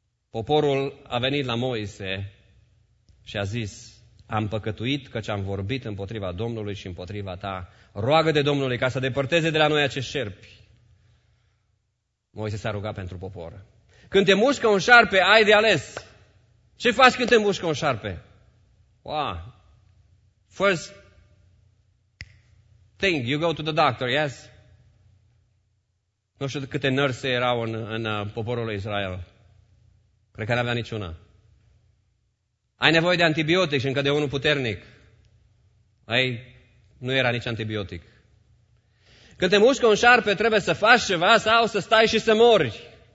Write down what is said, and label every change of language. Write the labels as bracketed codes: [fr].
[ro] Poporul a venit la Moise și a zis, am păcătuit căci am vorbit împotriva Domnului și împotriva ta. Roagă de Domnului ca să depărteze de la noi acești șerpi. Moise s-a rugat pentru popor. Când te mușcă un șarpe, ai de ales. Ce faci când te mușcă un șarpe? [en] Wow. First thing, you go to the doctor, yes? [ro] Nu știu câte nurse erau în poporul lui Israel. Cred că n-avea niciuna. Ai nevoie de antibiotic și încă de unul puternic. Ai, nu era nici antibiotic. Când te mușcă un șarpe, trebuie să faci ceva sau să stai și să mori.